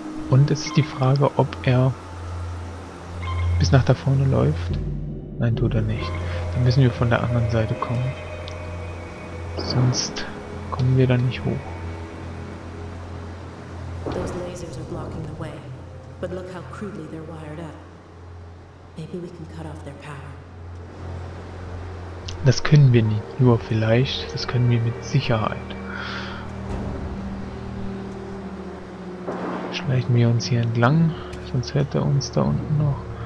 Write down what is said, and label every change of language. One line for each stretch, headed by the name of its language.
German: Und es ist die Frage, ob er bis nach da vorne läuft. Nein, tut er nicht. Dann müssen wir von der anderen Seite kommen. Sonst kommen wir da nicht hoch.
English: Those lasers are blocking the way. But look how crudely they're wired up. Maybe we can cut off their power.
German: Das können wir nicht. Nur vielleicht. Das können wir mit Sicherheit. Schleichen wir uns hier entlang. Sonst hört er uns da unten noch.